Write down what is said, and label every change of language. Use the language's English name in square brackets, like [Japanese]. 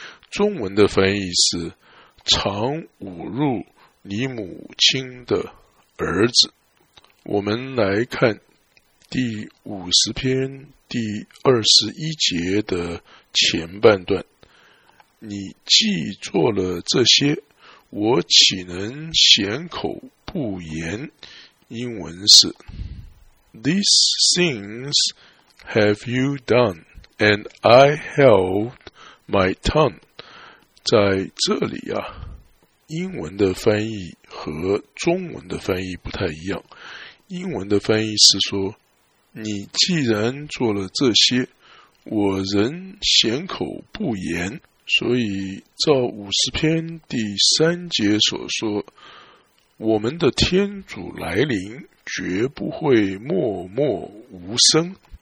[Chinese] 中文的翻译是：常侮辱你母亲的儿子。我们来看第五十篇第二十一节的前半段：你既做了这些，我岂能闲口不言？英文是 [English] These things have you done, and I held my tongue. [Chinese] 在这里啊，英文的翻译和中文的翻译不太一样。英文的翻译是说：你既然做了这些，我仍闲口不言。所以照五十篇第三节所说，我们的天主来临绝不会默默无声。